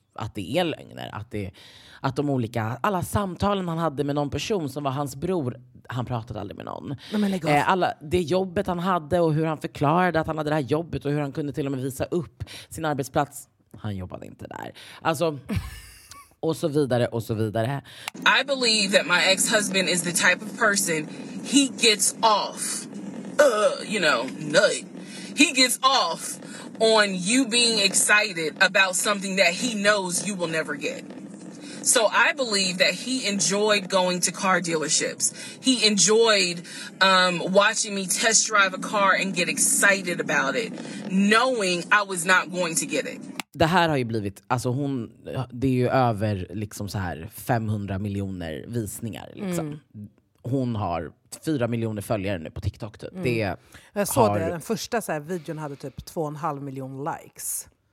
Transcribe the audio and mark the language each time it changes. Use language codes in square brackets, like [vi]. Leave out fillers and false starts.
[sv] att det är lögner, att de olika, alla samtalen han hade med någon person som var hans bror, han pratade aldrig med någon. Alla det jobbet han hade och hur han förklarade att han hade det här jobbet och hur han kunde till och med visa upp sin arbetsplats. Han jobbade inte där. Alltså, och så vidare och så vidare. [en] I believe that my ex-husband is the type of person he gets off, you know, nut. He gets off on you being excited about something that he knows you will never get. So I believe that he enjoyed going to car dealerships. He enjoyed watching me test drive a car and get excited about it, knowing I was not going to get it. [sv] Det här har ju blivit, alltså hon, det är ju över liksom så här 500 miljoner visningar liksom. Hon har 4 miljoner följare nu på TikTok. Typ. Det jag såg har... det. Den första så här videon hade typ 2,5 miljoner likes.